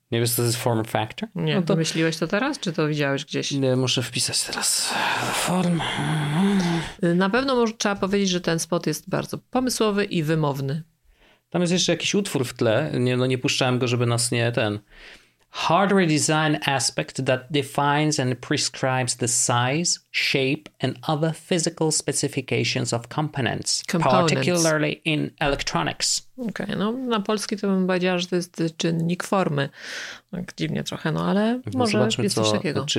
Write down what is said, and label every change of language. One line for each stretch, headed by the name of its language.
Polish: Nie wiesz, co to jest form factor? Nie, no to myśliłeś to teraz, czy to widziałeś gdzieś? Nie, muszę wpisać teraz form. Na pewno trzeba powiedzieć, że ten spot jest bardzo pomysłowy i wymowny. Tam jest jeszcze jakiś utwór w tle. Nie puszczałem go, żeby nas nie ten...
English: Hardware design aspect that defines and prescribes the size, shape and other physical specifications of components. Particularly in electronics.
Polish: Okej, okay, no na polski to bym powiedziała, że to jest czynnik formy. Tak dziwnie trochę, no ale może jest coś takiego.